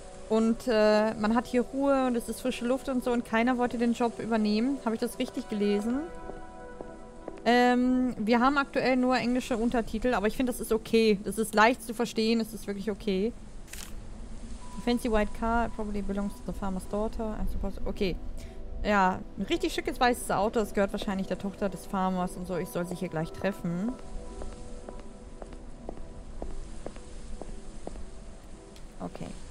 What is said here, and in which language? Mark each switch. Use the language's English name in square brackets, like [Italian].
[German] Und man hat hier Ruhe und es ist frische Luft und so und keiner wollte den Job übernehmen. Habe ich das richtig gelesen? Wir haben aktuell nur englische Untertitel, aber ich finde, das ist okay. Das ist leicht zu verstehen, es ist wirklich okay. [English] A fancy white car, probably belongs to the farmer's daughter, I suppose. Okay. [German] Ja, ein richtig schickes weißes Auto, das gehört wahrscheinlich der Tochter des Farmers und so. Ich soll sie hier gleich treffen. Okay.